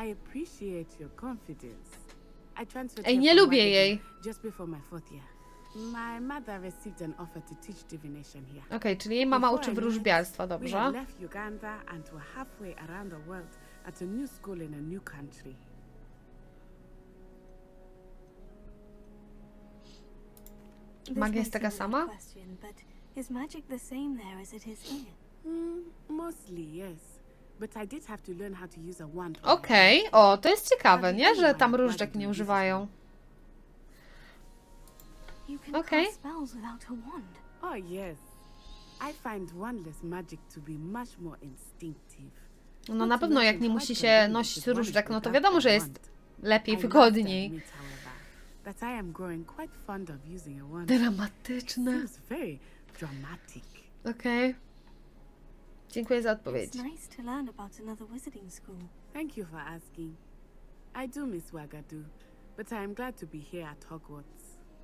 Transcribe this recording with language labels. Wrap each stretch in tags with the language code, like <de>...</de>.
<en>I appreciate your confidence. I transferred.</en> <pl>Ej, nie lubię jej.</pl> <en>Just before my fourth year. My mother received an offer to teach divination here.</en> <pl>Okej, czyli jej mama uczy wróżbiarstwa, dobrze?</pl> <en>We left Uganda and were halfway around the world at a new school in a new country.</en> <pl>Magia jest taka sama?</pl> <en>Is magic the same there as it is here? Mostly, yes. But I did have to learn how to use a wand.</en> <pl>Okej, o, to jest ciekawe, nie, że tam różdżek nie używają.</pl> <en>Okej. Spells without a wand. Oh, yes. I find wandless magic to be much more instinctive.</en> <pl>No na pewno jak nie musi się nosić różdżek, no to wiadomo, że jest lepiej, wygodniej.</pl> <en>That I am growing quite fond of using a wand.</en> <pl>Dramatyczne.</pl> <en>It's very dramatic.</en> <pl>Okay. Dziękuję za odpowiedź.</pl> <en>It's nice to learn about another wizarding school. Thank you for asking. I do miss Wagadu, but I am glad to be here at Hogwarts.</en>